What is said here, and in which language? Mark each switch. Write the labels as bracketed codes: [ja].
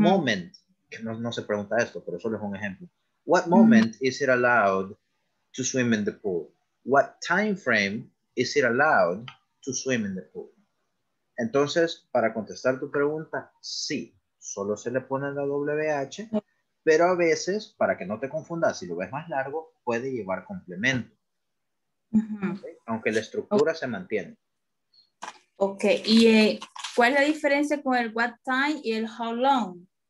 [es] moment, que no, no se pregunta esto, pero solo es un ejemplo. [en] What moment uh-huh. is it allowed to swim in the pool? What time frame is it allowed to swim in the pool? [es] Entonces, para contestar tu pregunta, sí, solo se le pone la WH, pero a veces, para que no te confundas, si lo ves más largo, puede llevar complemento. Uh-huh. Aunque la estructura se mantiene. Ok, y ¿cuál es la diferencia con el what time y el how long?